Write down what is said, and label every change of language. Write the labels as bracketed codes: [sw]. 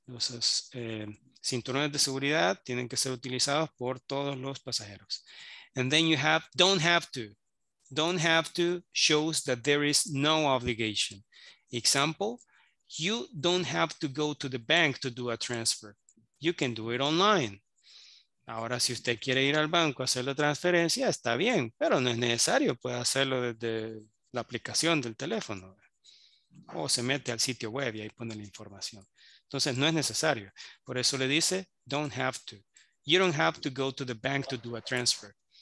[es] Entonces, cinturones de seguridad tienen que ser utilizados por todos los pasajeros. [en] And then you have don't have to. Don't have to shows that there is no obligation. Example, you don't have to go to the bank to do a transfer. You can do it online. [es] Ahora, si usted quiere ir al banco a hacer la transferencia, está bien, pero no es necesario. Puede hacerlo desde la aplicación del teléfono. O se mete al sitio web y ahí pone la información. Entonces, no es necesario. Por eso le dice, don't have to. [en] You don't have to go to the bank to do a transfer.